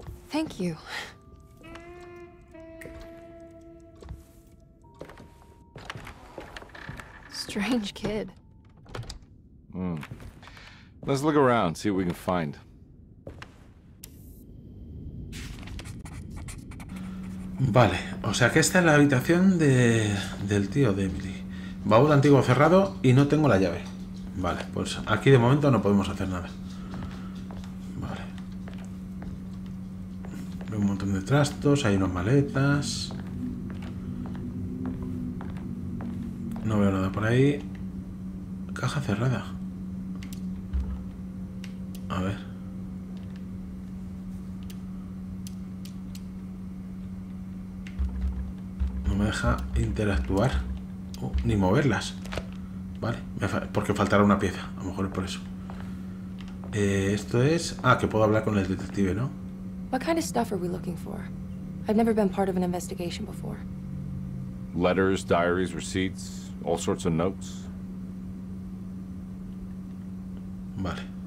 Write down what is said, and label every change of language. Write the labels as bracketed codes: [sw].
[en] Thank you. Strange kid. Let's look around, see what we can find. [es] Vale, o sea que esta es la habitación de del tío de Emily. Baúl antiguo cerrado y no tengo la llave. Vale, pues aquí de momento no podemos hacer nada. Un montón de trastos, hay unas maletas. No veo nada por ahí. Caja cerrada. A ver. No me deja interactuar. Ni moverlas. Vale, porque faltará una pieza. A lo mejor es por eso. Esto es... Ah, que puedo hablar con el detective, ¿no? [en] What kind of stuff are we looking for? I've never been part of an investigation before. Letters, diaries, receipts, all sorts of notes. [es] Vale.